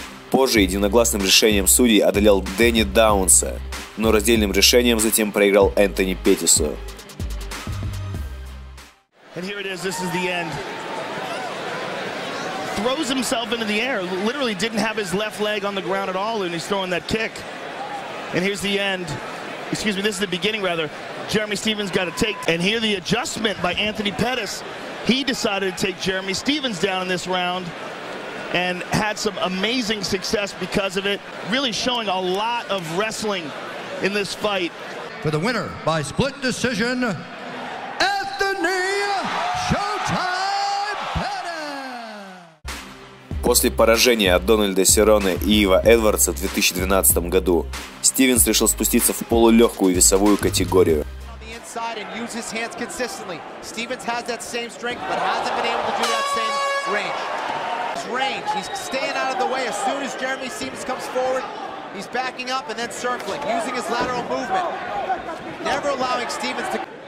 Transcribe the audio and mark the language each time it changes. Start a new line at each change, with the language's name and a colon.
Russian: Позже единогласным решением судей одолел Дэнни Даунса, но раздельным решением затем проиграл Энтони Петтису.
English: And here it is, this is the end. Throws himself into the air, literally didn't have his left leg on the ground at all, and he's throwing that kick. And here's the end. Excuse me, this is the beginning rather. Jeremy Stephens got a take, and here the adjustment by Anthony Pettis. He decided to take Jeremy Stephens down in this round. And had some amazing success because of it. Really showing a lot of wrestling in this fight. For the winner by split decision, Anthony Showtime Pettis!
Russian: После поражения от Дональда Сероны и Ива Эдвардса в 2012 году, Стивенс решил спуститься в полулегкую весовую категорию.
English: And use his hands consistently. Стивенс has that same strength, but hasn't been able to do that same range. Range. He's staying out of the way. As soon as Jeremy Stephens comes forward, he's backing up and then circling, using his lateral movement, never allowing Stephens to.